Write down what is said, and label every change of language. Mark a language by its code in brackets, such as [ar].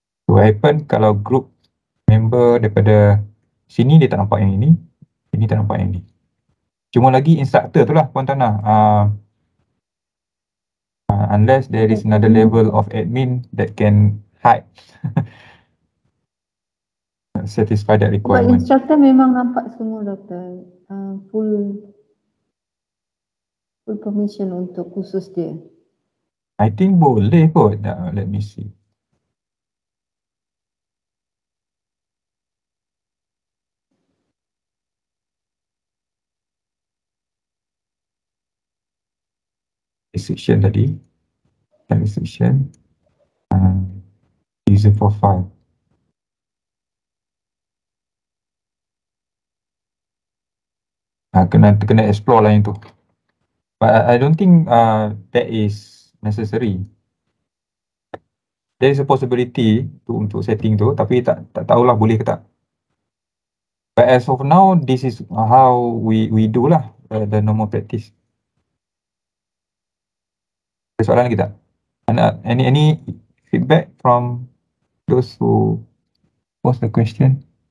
[en] So what happen [ms] kalau group member daripada sini, dia tak nampak yang ini, ini tak nampak yang ini. Cuma lagi instructor tu lah, Puan Tana. [en] Unless there is another level of admin that can hide, satisfy that requirement. [ms] But instructor memang nampak semua, Doktor. Full full permission untuk khusus dia. [en] I think [ms] boleh kot. [en] Now, let me see. Restriction tadi. Restriction. User profile. [ms] Kena explore lah yang tu. [en] But I don't think that is necessary. There is a possibility [ms] tu untuk setting tu, tapi tak tahulah boleh ke tak. [en] But as of now, this is how we do lah, the normal practice. [ms] Ada soalan lagi tak? [en] Any feedback from those who post the question?